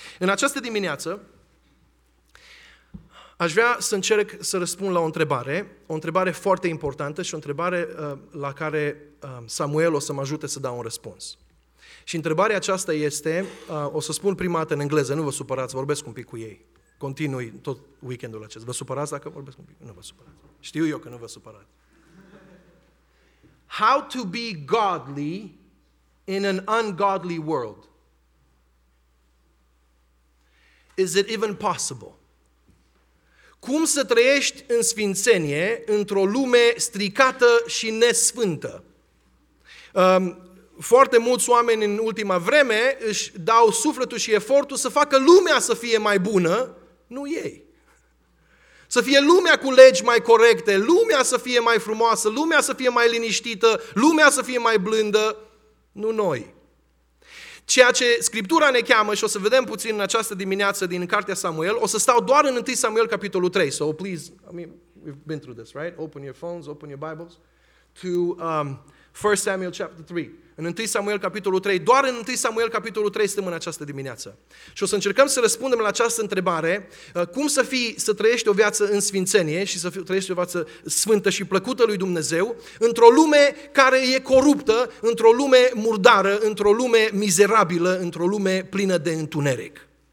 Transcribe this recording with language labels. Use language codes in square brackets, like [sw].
[ro] În această dimineață, aș vrea să încerc să răspund la o întrebare, o întrebare foarte importantă și o întrebare la care Samuel o să mă ajute să dau un răspuns. Și întrebarea aceasta este, o să spun prima dată în engleză, nu vă supărați, vorbesc un pic cu ei. Continui tot weekendul acesta. Vă supărați dacă vorbesc un pic? Nu vă supărați. Știu eu că nu vă supărați. [en] How to be godly in an ungodly world? Is it even possible? [ro] Cum să trăiești în sfințenie într-o lume stricată și nesfântă? Foarte mulți oameni în ultima vreme își dau sufletul și efortul să facă lumea să fie mai bună, nu ei. Să fie lumea cu legi mai corecte, lumea să fie mai frumoasă, lumea să fie mai liniștită, lumea să fie mai blândă, nu noi. Ceea ce Scriptura ne cheamă, și o să vedem puțin în această dimineață din cartea Samuel, o să stau doar în 1 Samuel capitolul 3. [en] So please, we've been through this, right? Open your phones, open your Bibles to 1 Samuel chapter 3. [ro] În 1 Samuel capitolul 3, doar în 1 Samuel capitolul 3 stăm în această dimineață. Și o să încercăm să răspundem la această întrebare, cum să trăiești o viață în sfințenie și să trăiești o viață sfântă și plăcută lui Dumnezeu, într-o lume care e coruptă, într-o lume murdară, într-o lume mizerabilă, într-o lume plină de întuneric.